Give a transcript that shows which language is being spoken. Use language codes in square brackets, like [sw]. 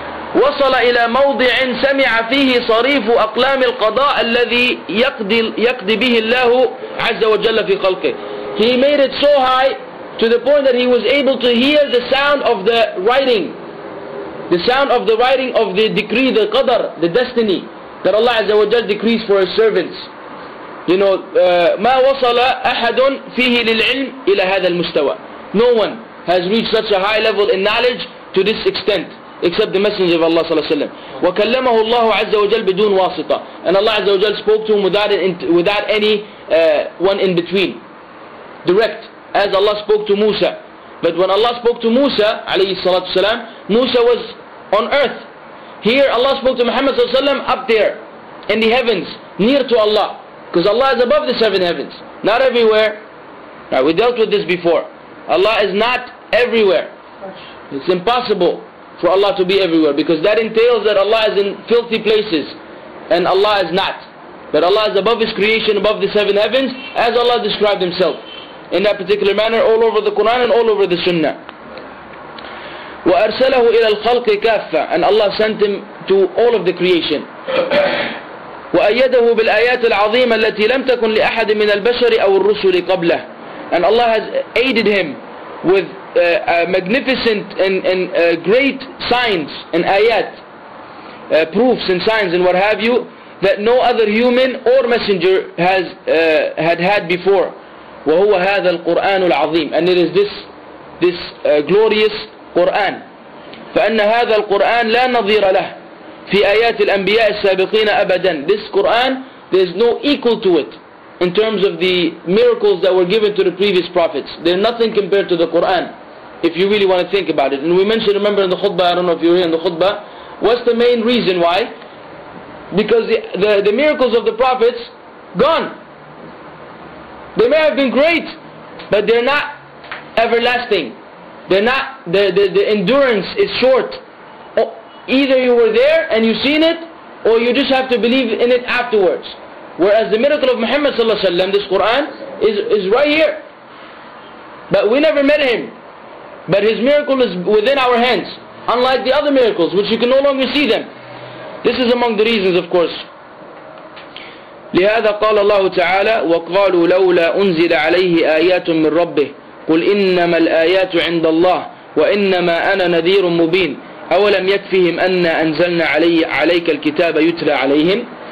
[ar] وَصَلَ إِلَى مَوْضِعٍ سَمِعَ فِيهِ صَرِيفُ أَقْلَامِ الْقَضَاءِ الَّذِي يَقْدِ بِهِ اللَّهُ عَزَّ وَجَلَّ فِي خَلْقِهِ. [en] He made it so high to the point that he was able to hear the sound of the writing. The sound of the writing of the decree, the qadr, the destiny that Allah Azza wa Jal decrees for His servants. You know, [ar] مَا وَصَلَ أَحَدٌ فِيهِ لِلْعِلْمِ إِلَى هَذَا الْمُسْتَوَى. [en] No one has reached such a high level in knowledge to this extent, except the Messenger of Allah Sallallahu Alaihi Wasallam. [ar] وَكَلَّمَهُ اللَّهُ عَزَّ وَجَلَّ بِدُونَ وَاسِطَةٍ. [en] And Allah Azza wa Jal spoke to him without any one in between. Direct, as Allah spoke to Musa. But when Allah spoke to Musa, alayhi salatu wasalam, Musa was on earth. Here Allah spoke to Muhammad sallallahu alayhi wasalam up there, in the heavens, near to Allah. Because Allah is above the seven heavens, not everywhere. Now, we dealt with this before. Allah is not everywhere. It's impossible for Allah to be everywhere, because that entails that Allah is in filthy places, and Allah is not. But Allah is above His creation, above the seven heavens, as Allah described Himself. In that particular manner, all over the Quran and all over the Sunnah. [ar] وَأَرْسَلَهُ إِلَى الْخَلْقِ كَافَّةً. [en] And Allah sent him to all of the creation. [ar] وَأَيَّدَهُ بِالْآيَاتِ الْعَظِيمَ الَّتِي لَمْ تَكُنْ لِأَحَدٍ مِنَ الْبَشَرِ أَوْ الرُّسُلِ قَبْلَهُ. [en] And Allah has aided him with magnificent and great signs and ayat, proofs and signs and what have you, that no other human or messenger has had before. [ar] وهو هذا القرآن العظيم. [en] And it is this glorious Quran. [ar] فأن هذا القرآن لا نظير له في آيات الأنبياء السابقين أبدا. [en] This Quran, there is no equal to it in terms of the miracles that were given to the previous prophets. There is nothing compared to the Quran, if you really want to think about it. And we mentioned, remember in the khutbah, I don't know if you were here in the khutbah, what's the main reason why? Because the miracles of the prophets, gone. They may have been great, but they're not everlasting. They're not, the endurance is short. Either you were there and you seen it, or you just have to believe in it afterwards. Whereas the miracle of Muhammad sallallahu alaihi wasallam, this Quran, is right here. But we never met him. But his miracle is within our hands. Unlike the other miracles, which you can no longer see them. This is among the reasons, of course. [ar] لهذا قال الله تعالى وقالوا لولا أنزل عليه آيات من ربه قل إنما الآيات عند الله وإنما أنا نذير مبين أولم يكفهم أن أنزلنا عليك الكتاب يتلى عليهم.